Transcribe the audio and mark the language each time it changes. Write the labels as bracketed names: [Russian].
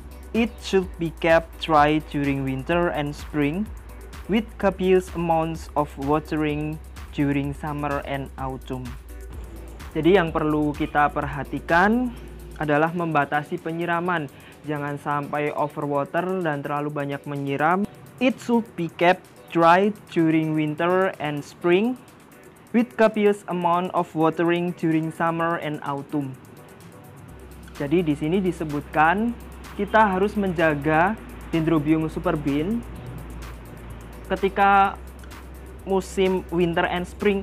[English] It should be kept dry during winter and spring with copious amounts of watering during summer and autumn. [Indonesian] Jadi yang perlu kita perhatikan adalah membatasi penyiraman. Jangan sampai overwater dan terlalu banyak menyiram. [English] It should be kept dry during winter and spring with copious amount of watering during summer and autumn. [Indonesian] Jadi di sini disebutkan kita harus menjaga Dendrobium superbin ketika musim [English] winter and spring.